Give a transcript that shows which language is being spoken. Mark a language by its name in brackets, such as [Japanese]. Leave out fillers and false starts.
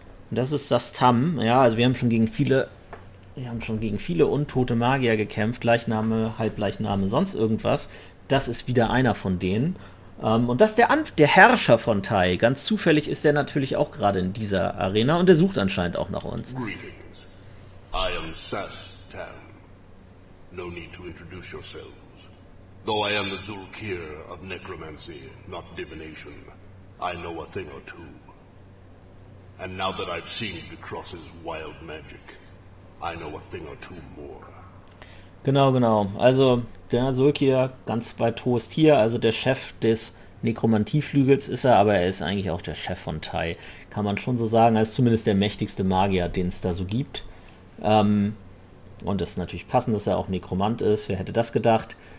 [German] Das ist das Tam. Ja, also wir haben schon gegen viele untote Magier gekämpft. Leichname, Halbleichname, sonst irgendwas. Das ist wieder einer von denen. Und das ist der Herrscher von Tai. Ganz zufällig ist er natürlich auch gerade in dieser Arena und er sucht anscheinend auch nach uns. [English] Greetings. I am Sass Tam. No need to introduce yourselves. Though I am the Zulkir of Necromancy, not Divination, I know a thing or two. And now that I've seen Vikross's wild magic, I know a thing or two more. [German] Genau. Also, der Zulkir, ganz weit hohes Tier, also der Chef des Nekromantieflügels ist er, aber er ist eigentlich auch der Chef von Tai. Kann man schon so sagen, er ist zumindest der mächtigste Magier, den es da so gibt. Und es ist natürlich passend, dass er auch Nekromant ist, wer hätte das gedacht?